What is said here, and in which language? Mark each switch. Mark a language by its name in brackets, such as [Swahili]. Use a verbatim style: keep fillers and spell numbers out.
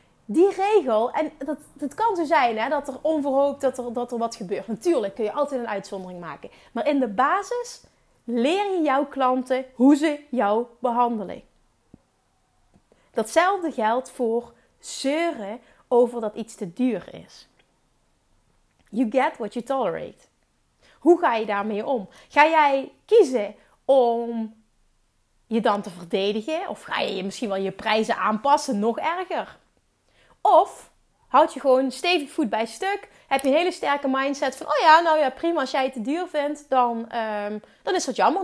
[Dutch] Die regel, en dat, dat kan zo zijn hè, dat er onverhoopt dat er, dat er wat gebeurt. Natuurlijk kun je altijd een uitzondering maken. Maar in de basis leer je jouw klanten hoe ze jou behandelen. Datzelfde geldt voor zeuren over dat iets te duur is. [English] You get what you tolerate. [Dutch] Hoe ga je daarmee om? Ga jij kiezen om je dan te verdedigen? Of ga je misschien wel je prijzen aanpassen? Nog erger. Of houd je gewoon stevig voet bij stuk. Heb je een hele sterke mindset van, oh ja, nou ja, prima. Als jij het te duur vindt, dan, um, dan is dat jammer.